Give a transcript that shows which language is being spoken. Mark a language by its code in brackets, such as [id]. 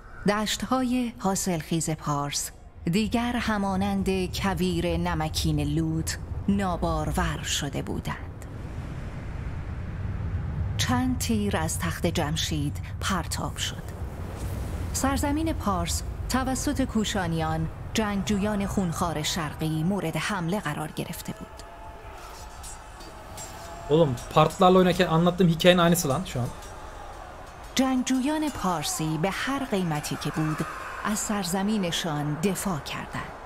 [fa] دشت های حاصل خیز پارس دیگر همانند کویر نمکین لوت نابارور شده بودند. چند تیر از تخت جمشید پرتاب شد. سرزمین پارس توسط کوشانیان جنگجویان خونخوار شرقی مورد حمله قرار گرفته بود. [tr] Oğlum, partlarla oynarken anlattığım hikayenin aynısı lan şu an. [fa] جنگجویان پارسی به هر قیمتی که بود از سرزمینشان دفاع کردند.